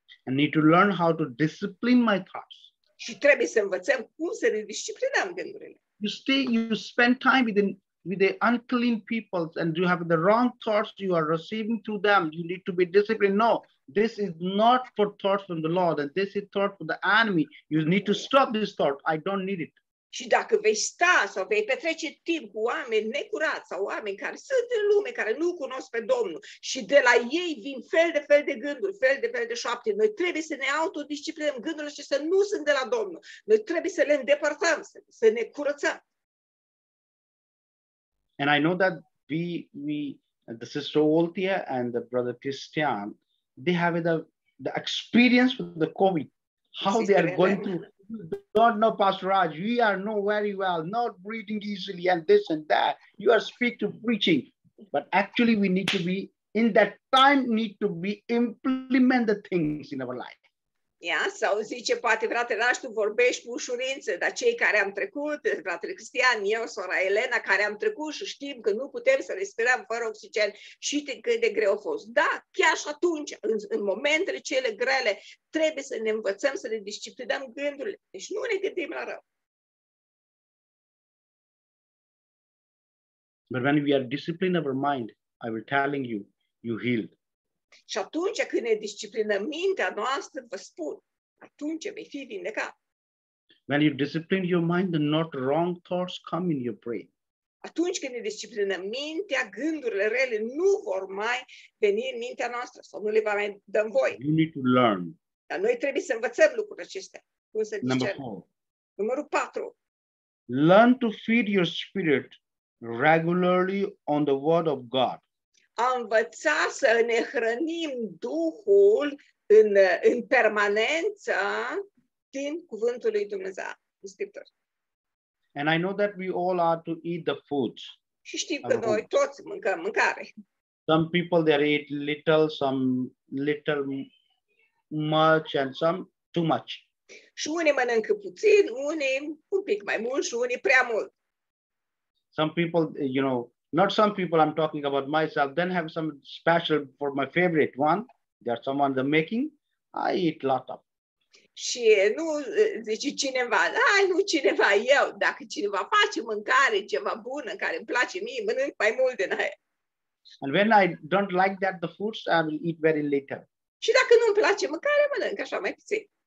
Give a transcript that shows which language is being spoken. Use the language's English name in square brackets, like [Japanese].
[English] I need to learn how to discipline my thoughts. [Romanian] Și trebuie să învățăm cum să ne disciplinăm gândurile. [English] You spend time with the unclean people and you have the wrong thoughts you are receiving to them. You need to be disciplined. No, this is not for thoughts from the Lord and this is thought for the enemy. You need to stop this thought. I don't need it. [Romanian] Și dacă vei sta sau vei petrece timp cu oameni necurați sau oameni care sunt în lume, care nu cunosc pe Domnul și de la ei vin fel de fel de gânduri, fel de fel de șoapte, noi trebuie să ne autodisciplinăm gândurile și să nu sunt de la Domnul. Noi trebuie să le îndepărtăm, să ne curățăm. [English] And I know that we the sister Oltia and the brother Christian, they have the experience with the COVID, how they are going to... Don't know, Pastor Raj, we are know very well, not breathing easily and this and that. You are speak to preaching. But actually, we need to be, in that time, need to be implement the things in our life. [Romanian] Ia, sau zice, poate, frate Raj, tu vorbești cu ușurință, dar cei care am trecut, fratele Cristian, eu, sora Elena, care am trecut și știm că nu putem să respirăm fără oxigen și cât de greu a fost. Da, chiar și atunci, în momentele cele grele, trebuie să ne învățăm să ne disciplinăm gândurile. Deci nu ne gândim la rău. [English] But when we are disciplined of our mind, I will telling you, you healed. [Romanian] Și atunci când ne disciplinăm mintea noastră, vă spun, atunci vei fi vindecat. [English] When you discipline your mind, the not wrong thoughts come in your brain. [Romanian] Atunci când ne disciplinăm mintea, gândurile rele nu vor mai veni în mintea noastră sau nu le va mai dă în voi. [English] You need to learn. [Romanian] Dar noi trebuie să învățăm lucrurile acestea. Cum să discernem. Numărul 4. [English] Learn to feed your spirit regularly on the word of God. [Romanian] A învăța să ne hrănim Duhul în permanență din Cuvântul lui Dumnezeu, din Scriptură. [English] And I know that we all are to eat the food. [Romanian] Și știm că noi toți mâncăm mâncare. [English] Some people they eat little, some little much and some too much. [Romanian] Și unii mănâncă puțin, unii un pic mai mult și unii prea mult. [English] Some people, you know, not some people, I'm talking about myself, then have some special for my favorite one. There's someone the making, I eat lot of. [Romanian] Și nu zice cineva, nu cineva eu, dacă cineva face mâncare ceva bună, care îmi place mie, mănânc mai mult din aia. [English] And when I don't like that the foods, I will eat very little. [Romanian] Și dacă nu-mi place mâncare, mănânc așa mai puțin.